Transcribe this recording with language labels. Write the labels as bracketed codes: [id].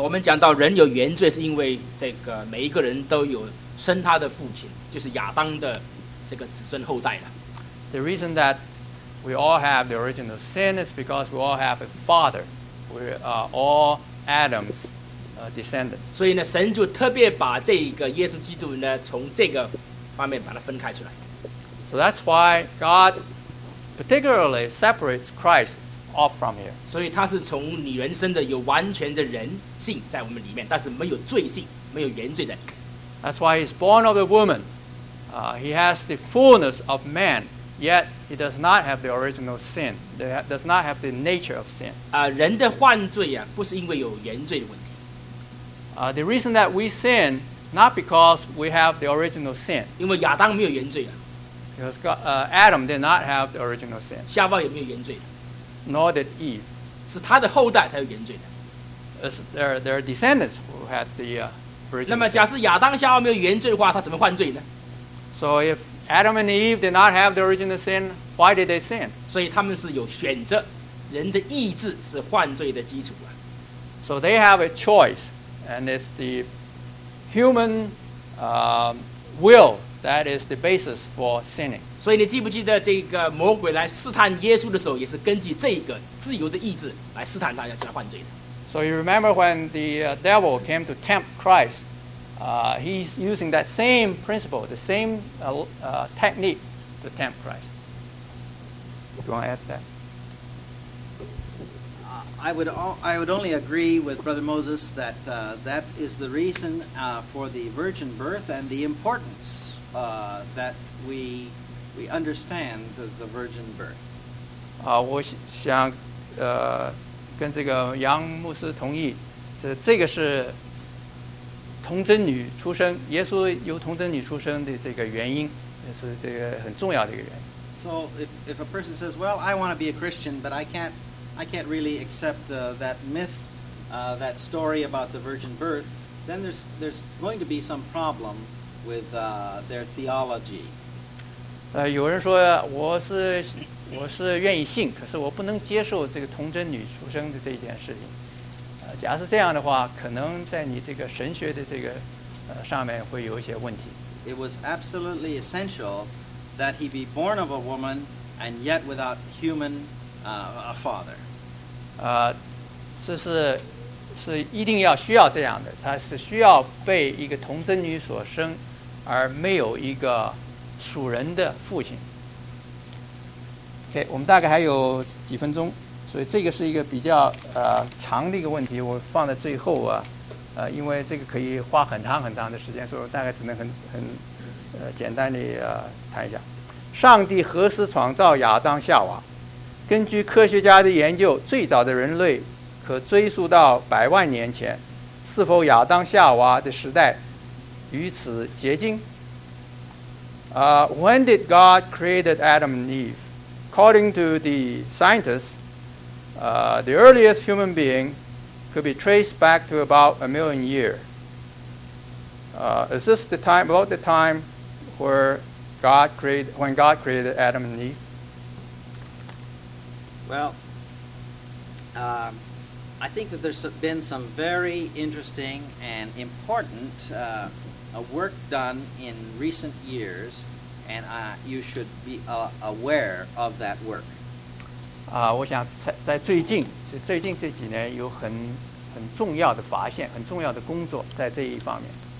[zh] 我们讲到人有原罪，是因为这个每一个人都有生他的父亲，就是亚当的这个子孙后代了。 [en] The reason that we all have the original sin is because we all have a father. We are all Adam's descendants. [zh] 所以呢，神就特别把这个耶稣基督呢，从这个方面把它分开出来。 [en] So that's why God particularly separates Christ. Off from here. [zh] 所以他是从女人生的，有完全的人性在我们里面，但是没有罪性，没有原罪的。 [en] That's why he's born of a woman. He has the fullness of man, yet he does not have the original sin. He does not have the nature of sin. [zh] 人的犯罪啊，不是因为有原罪的问题。 [en] The reason that we sin, not because we have the original sin. [zh] 因为亚当没有原罪啊。 [en] Because Adam did not have the original sin. [zh] 夏娃也没有原罪的。 [en] Nor did Eve. [zh] 是他的后代才有原罪的。 [en] It's their descendants who had the original sin. [zh] 那么假设亚当夏娃没有原罪的话，他怎么犯罪呢？ [en] So if Adam and Eve did not have the original sin, why did they sin? [zh] 所以他们是有选择，人的意志是犯罪的基础啊。 [en] So they have a choice, and it's the human will that is the basis for sinning. [zh] 所以你记不记得这个魔鬼来试探耶稣的时候，也是根据这个自由的意志来试探他，要叫他犯罪的。 [en] So you remember when the devil came to tempt Christ, he's using that same principle, the same technique to tempt Christ. Do you want to add that? I would only agree with Brother Moses that that is the reason for the virgin birth and the importance that we understand the virgin birth. [zh] 我想跟这个杨牧师同意，这个是童贞女出生，耶稣由童贞女出生的这个原因，也是这个很重要的一个原因。 [en] So if a person says, well, I want to be a Christian, but I can't really accept that myth, that story about the virgin birth, then there's going to be some problem with their theology. [zh] 有人说我是愿意信，可是我不能接受这个童贞女出生的这件事情。假如是这样的话，可能在你这个神学的这个上面会有一些问题。 [en] It was absolutely essential that he be born of a woman and yet without human a father. [zh] 这是一定要需要这样的，他是需要被一个童贞女所生，而没有一个。属人的父亲。Okay, 我们大概还有几分钟，所以这个是一个比较长的一个问题，我放在最后啊，因为这个可以花很长很长的时间，所以我大概只能很简单的谈一下。上帝何时创造亚当夏娃？根据科学家的研究，最早的人类可追溯到百万年前，是否亚当夏娃的时代与此接近？ [en] When did God create Adam and Eve? According to the scientists, the earliest human being could be traced back to about 1 million years. Is this about the time when God created Adam and Eve? Well, I think that there's been some very interesting and important work done in recent years. And you should be aware of that work. [zh] 我想在最近这几年有很重要的发现，很重要的工作在这一方面。